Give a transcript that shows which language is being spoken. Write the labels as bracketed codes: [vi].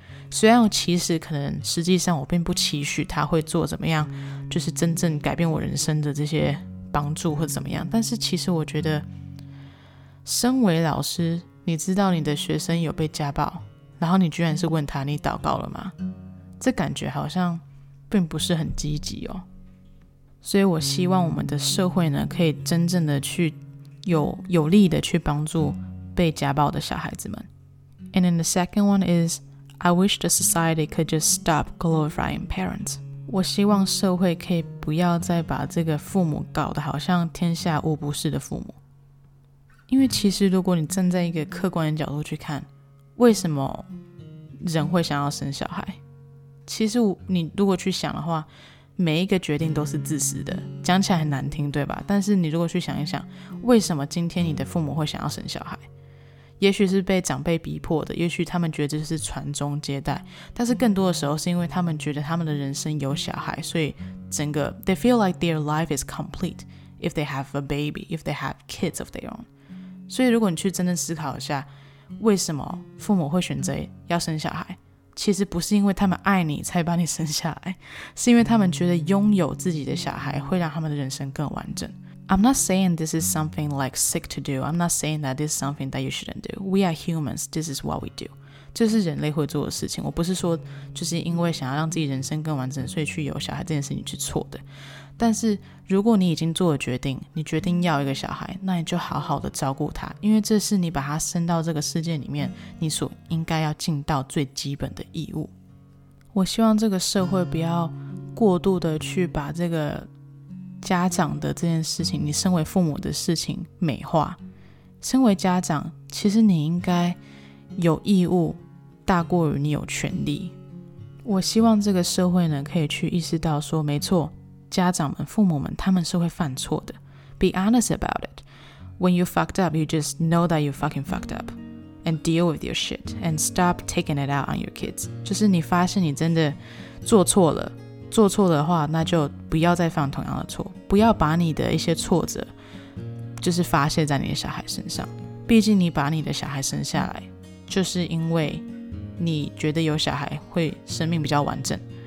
[zh] 虽然其实可能实际上我并不期许他会做怎么样就是真正改变我人生的这些帮助或怎么样，但是其实我觉得身为老师，你知道你的学生有被家暴，然后你居然是问他你祷告了吗，这感觉好像并不是很积极哦。所以我希望我们的社会呢，可以真正的去有力的去帮助被家暴的小孩子们。 [en] And then the second one is I wish the society could just stop glorifying parents. [zh] 我希望社会可以不要再把这个父母搞得好像天下无不是的父母。因为其实如果你站在一个客观的角度去看，为什么人会想要生小孩，其实你如果去想的话，每一个决定都是自私的，讲起来很难听对吧，但是你如果去想一想，为什么今天你的父母会想要生小孩，也许是被长辈逼迫的，也许他们觉得这是传宗接代，但是更多的时候是因为他们觉得他们的人生有小孩，所以整个 [en] They feel like their life is complete if they have a baby, if they have kids of their own。 [zh] 所以如果你去真正思考一下，为什么父母会选择要生小孩，其实不是因为他们爱你才把你生下来，是因为他们觉得拥有自己的小孩会让他们的人生更完整。 [en] I'm not saying this is something like sick to do. I'm not saying that this is something that you shouldn't do. We are humans. This is what we do. [zh] 这是人类会做的事情，我不是说就是因为想要让自己人生更完整所以去有小孩这件事情是错的，但是如果你已经做了决定，你决定要一个小孩，那你就好好的照顾他，因为这是你把他生到这个世界里面你所应该要尽到最基本的义务。我希望这个社会不要过度的去把这个家长的这件事情，你身为父母的事情美化。身为家长，其实你应该有义务大过于你有权利。我希望这个社会呢，可以去意识到说，没错，家长们、父母们，他们是会犯错的。 [en] Be honest about it. When you fucked up, you just know that you fucking fucked up and deal with your shit and stop taking it out on your kids. [zh] 就是你发现你真的做错了，做错的话，那就不要再犯同样的错，不要把你的一些挫折就是发泄在你的小孩身上。毕竟你把你的小孩生下来，就是因为你觉得有小孩会生命比较完整。